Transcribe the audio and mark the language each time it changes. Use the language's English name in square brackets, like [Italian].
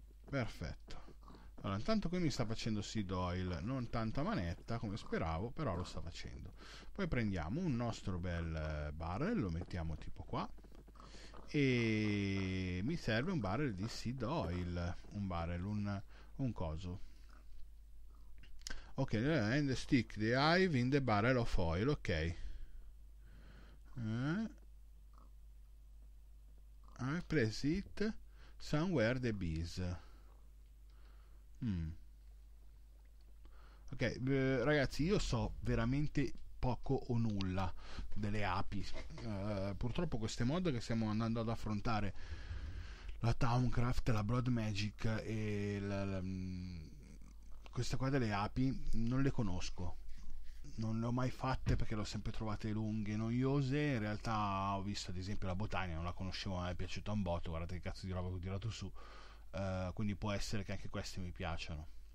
[Italian] Perfetto. Allora, intanto qui mi sta facendo seed oil, non tanto a manetta come speravo, però lo sta facendo. Poi prendiamo un nostro bel barrel, lo mettiamo tipo qua. E mi serve un barrel di seed oil, un coso. [English] Ok, and stick the hive in the barrel of oil, ok. I place it somewhere the bees. [Italian] Ok, ragazzi, io so veramente poco o nulla delle api. Purtroppo queste mod che stiamo andando ad affrontare, la Towncraft, la Blood Magic e la questa qua delle api non le conosco, non le ho mai fatte perché le ho sempre trovate lunghe e noiose. In realtà ho visto ad esempio la botania, non la conoscevo mai, è piaciuta un botto, guardate che cazzo di roba che ho tirato su, quindi può essere che anche queste mi piacciono.